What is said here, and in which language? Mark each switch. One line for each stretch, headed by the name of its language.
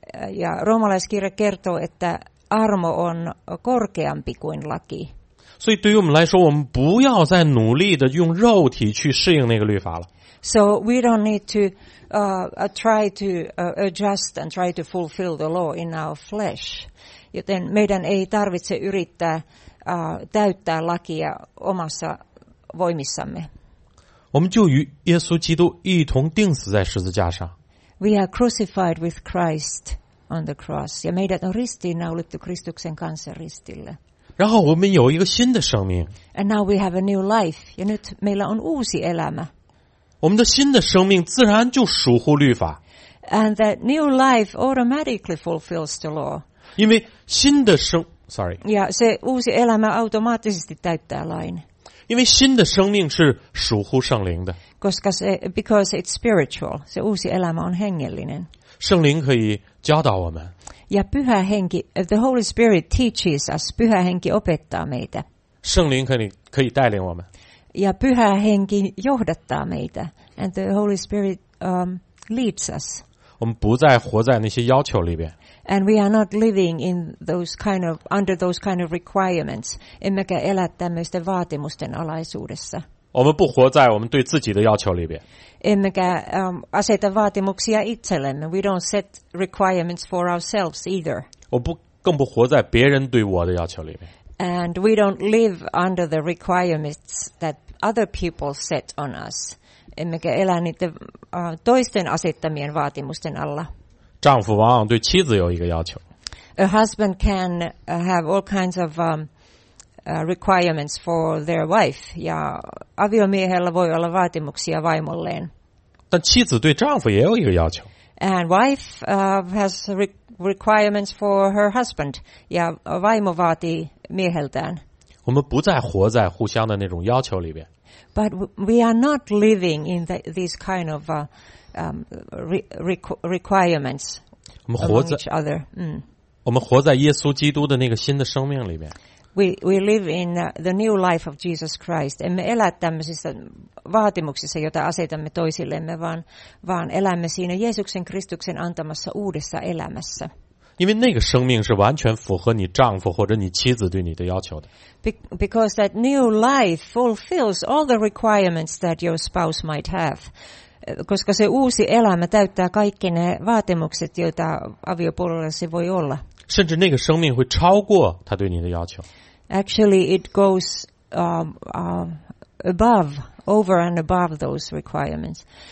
Finnish: Ja roomalaiskirja kertoo, että armo on korkeampi kuin laki.
Chinese: 所以对于我们来说，我们不要再努力的用肉体去适应那个律法了。
English: So we don't need to try to adjust and try to fulfill the law in our flesh.
Finnish: Joten meidän ei tarvitse yrittää täyttää lakia omassa voimissamme.
Chinese: 我们就与耶稣基督一同钉死在十字架上。
English: We are crucified with Christ on the cross.
Finnish: Ja meidät on ristiinnaulittu Kristuksen kanssa ristille.
Chinese: 然后我们有一个新的生命。
English: And now we have a new life.
Finnish: Ja nyt meillä on uusi elämä.
Chinese: 我们的新的生命自然就属乎律法。
English: And that new life automatically fulfills the law.
Chinese: 因为新的生 sorry.
Finnish: Ja se uusi elämä automaattisesti täyttää lain.
Chinese: 因为新的生命是属乎圣灵的。
English: Because it's spiritual,
Finnish: se uusi elämä on hengellinen.
Chinese: 圣灵可以教导我们。
Finnish: Ja pyhä henki,
English: the Holy Spirit teaches us,
Finnish: pyhä henki opettaa meitä.
Chinese: 圣灵可以带领我们。
Finnish: Ja pyhä henki johdattaa meitä,
English: and the Holy Spirit leads us.
Chinese: 我们不再活在那些要求里边。
English: And we are not living in those kind of under those kind of requirements.
Finnish: Emmekä elä tämmöisten vaatimusten alaisuudessa.
Chinese: 我们不活在我们对自己的要求里边。
Finnish: Emmekä aseta vaatimuksia itsellemme.
English: We don't set requirements for ourselves either.
Chinese: 我不更不活在别人对我的要求里边。
English: And we don't live under the requirements that other people set on us.
Finnish: Emmekä elä niiden toisten asettamien vaatimusten alla.
Chinese: 丈夫往往对妻子有一个要求。
English: A husband can have all kinds of requirements for their wife.
Finnish: Ja aviomiehellä voi olla vaatimuksia vaimolleen.
Chinese: 但妻子对丈夫也有一个要求。
English: And wife has requirements for her husband.
Finnish: Ja vaimo vaatii mieheltään.
Chinese: 我们不再活在互相的那种要求里边。
English: But we are not living in these kind of requirements among each other.
Chinese: 我们活在耶稣基督的那个新的生命里面。
English: We live in the new life of Jesus Christ.
Finnish: Emme elä tämmöisissä vaatimuksissa, joita asetamme toisillemme, vaan elämme siinä Jeesuksen Kristuksen antamassa uudessa elämässä.
Chinese: 因为那个生命是完全符合你丈夫或者你妻子对你的要求的。
English: Because that new life fulfills all the requirements that your spouse might have.
Finnish: Koska se uusi elämä täyttää kaikki ne vaatimukset, joita aviopuolellasi voi olla.
Chinese: 甚至那个生命会超过他对你的要求。
English: Actually, it goes above, over and above those requirements.